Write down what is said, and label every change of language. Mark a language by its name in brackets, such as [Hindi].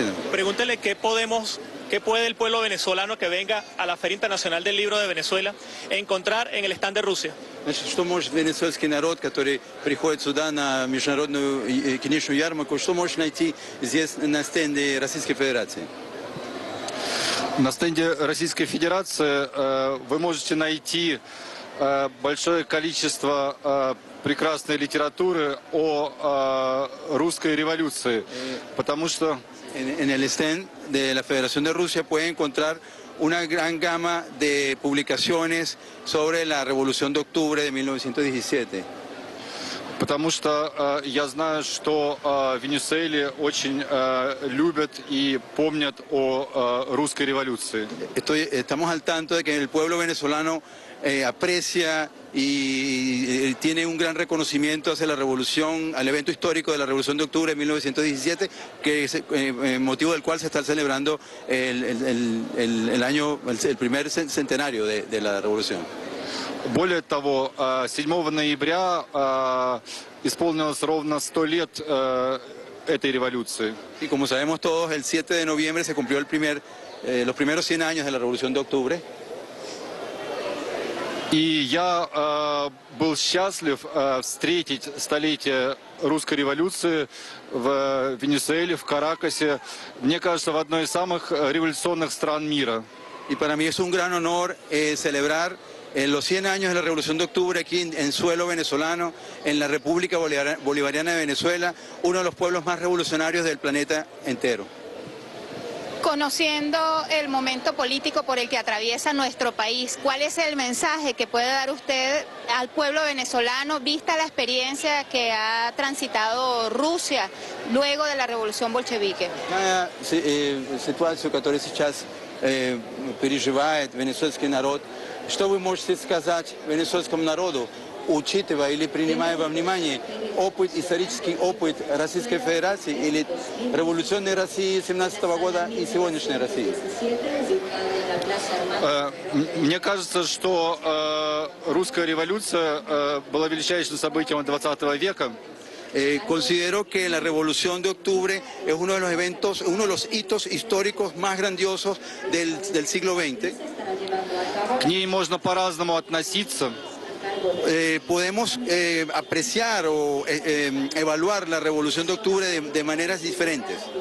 [Spanish] Pregúntele qué puede el pueblo venezolano que venga a la Feria Internacional del Libro de Venezuela encontrar en el stand de Rusia. [Russian] Что может венесуэльский народ, который приходит сюда на международную книжную ярмарку, что может найти здесь на стенде Российской Федерации? На стенде Российской Федерации вы можете найти большое количество прекрасной литературы о русской революции, потому что... [Spanish] En el stand de la Federación de Rusia puede encontrar una gran gama de publicaciones sobre la Revolución de Octubre de 1917. [Russian] Потому что я знаю, что в Венесуэле очень любят и помнят о русской революции. [Spanish] Estamos al tanto de que el pueblo venezolano aprecia y tiene un gran reconocimiento hacia la revolución, al evento histórico de la Revolución de Octubre de 1917, que es motivo del cual se está celebrando el primer centenario de la revolución. [Russian] Более того, 7 ноября исполнилось ровно 100 лет этой революции. [Spanish] Y como sabemos todos, el 7 de noviembre se cumplió los primeros 100 años de la Revolución de Octubre. [Russian] И я был счастлив встретить столетие русской революции в Венесуэле, в Каракасе, мне кажется, в одной из самых революционных стран мира. И для меня это огромный [Spanish] honor celebrar los 100 años de la Revolución de Octubre aquí en suelo venezolano, en la República Bolivariana de Venezuela, uno de los pueblos más revolucionarios del planeta entero. Conociendo el momento político por el que atraviesa nuestro país, ¿cuál es el mensaje que puede dar usted al pueblo venezolano, vista la experiencia que ha transitado Rusia luego de la Revolución Bolchevique? [Russian] Ситуацию, которую сейчас переживает венесуэльский народ, что вы можете сказать венесуэльскому народу, учитывая или принимая во внимание опыт, исторический опыт Российской Федерации или революционной России 17-го года и сегодняшней России? Мне кажется, что русская революция была величайшим событием 20 века. [Spanish] Considero que la Revolución de Octubre es uno de los eventos, uno de los hitos históricos más grandiosos del siglo XX. [Russian] К ней можно по-разному относиться. [Spanish] Podemos apreciar o evaluar la Revolución de Octubre de maneras diferentes.